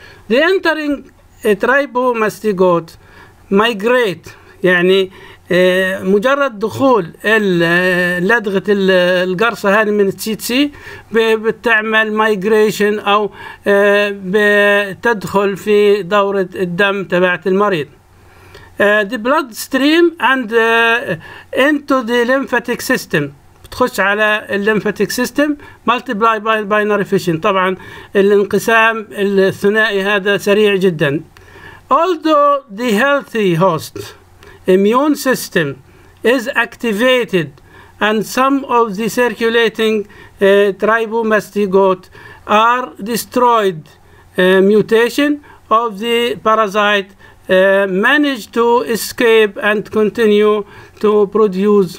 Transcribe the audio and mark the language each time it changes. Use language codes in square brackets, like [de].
[en] The entering trypanosomiasis migrate، [ar] يعني مجرد دخول لدغة القرصة هذه من التسيتسي بتعمل migration او بتدخل في دورة الدم تبعت المريض. [en] The blood stream and into the lymphatic system. [ar] بتخش على [en] lymphatic system multiply by binary fission. [ar] طبعا الانقسام الثنائي هذا سريع جدا. [en] Although the healthy host immune system is activated and some of the circulating trypanosomiasis are destroyed, mutation of the parasite manage to escape and continue to produce.